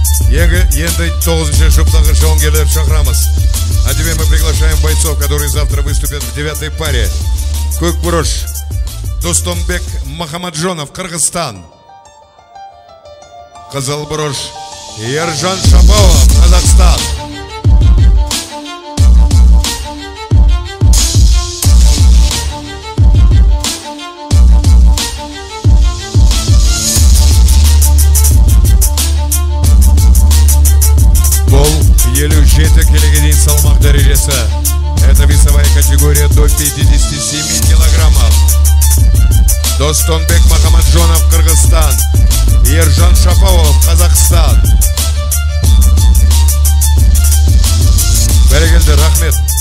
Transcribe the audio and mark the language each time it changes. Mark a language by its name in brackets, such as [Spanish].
[Kazakh] Енді 9-ші жұптағы жонгерлер шақырамыз. [Russian] А теперь мы приглашаем бойцов, которые завтра выступят в девятой паре. [Kazakh] Көк бұрыш Достомбек Махамаджонов, Кыргызстан. Қызыл бұрыш Ержан Шапауов, Казахстан. Бұл 57 келіге дейін салмақ дәрежесі. [Russian] Это весовая категория до 57 килограммов. Достонбек Махамаджонов, Кыргызстан. Ержан Шапауов, Казахстан. [Kazakh] Бәрекелді, рахмет.